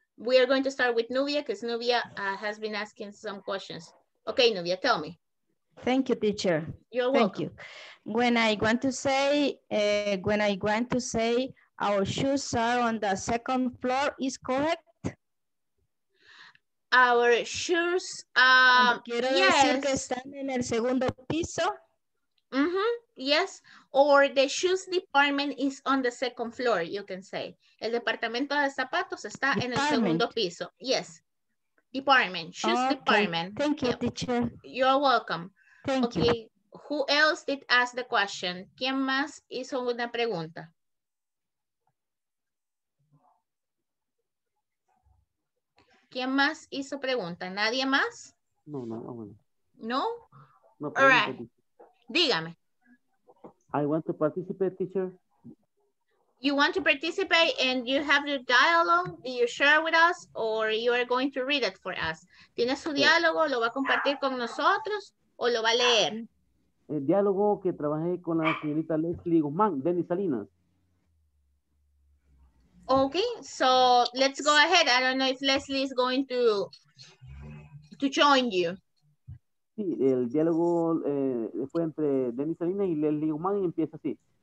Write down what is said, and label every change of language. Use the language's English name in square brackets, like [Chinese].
[English] We are going to start with Nubia because Nubia has been asking some questions. Okay, Nubia, tell me. Thank you, teacher. You're welcome. When I want to say, our shoes are on the second floor, is correct? Our shoes, yes. [Spanish] Quiero decir que están en el segundo piso. Mm-hmm. [English] Yes, or the shoes department is on the second floor, you can say. [Spanish] El departamento de zapatos está en el segundo piso. [English] Yes, department, shoes department. Thank you, teacher. You're welcome. Thank you. Who else did ask the question? [Spanish] ¿Quién más hizo una pregunta? ¿Quién más hizo pregunta? ¿Nadie más? No. [English] All right. [Spanish] Dígame. [English] I want to participate, teacher. You want to participate and you have your dialogue? Do you share with us or you are going to read it for us? [Spanish] ¿Tiene su diálogo? ¿Lo va a compartir con nosotros? ¿O lo va a leer? El diálogo que trabajé con la señorita Leslie Guzmán, Denis Salinas. [English] Okay, so let's go ahead. I don't know if Leslie is going to join you. [Spanish] Sí, el diálogo fue entre Denis Salinas y Leslie Guzmán y empieza así.